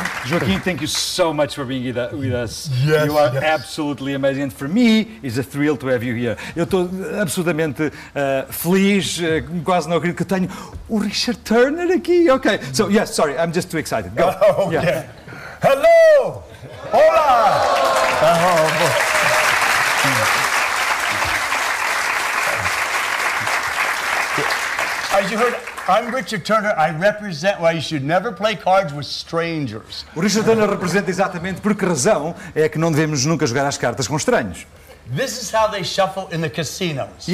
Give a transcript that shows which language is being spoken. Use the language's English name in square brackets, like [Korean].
[English] Joaquin, thank you so much for being with us. Yes, you are yes. Absolutely amazing. And for me, it's a thrill to have you here. [Portuguese] Eu estou absolutamente feliz, quase não acredito que tenho o Richard Turner aqui. [English] Okay, so yes, sorry, I'm just too excited. Go. Yeah. Hello! Hola! As you heard, I'm Richard Turner. I represent why you should never play cards with strangers. [Portuguese] O Richard Turner representa exatamente por que razão é que não devemos nunca jogar às cartas com estranhos. [English] This is how they shuffle in the casinos.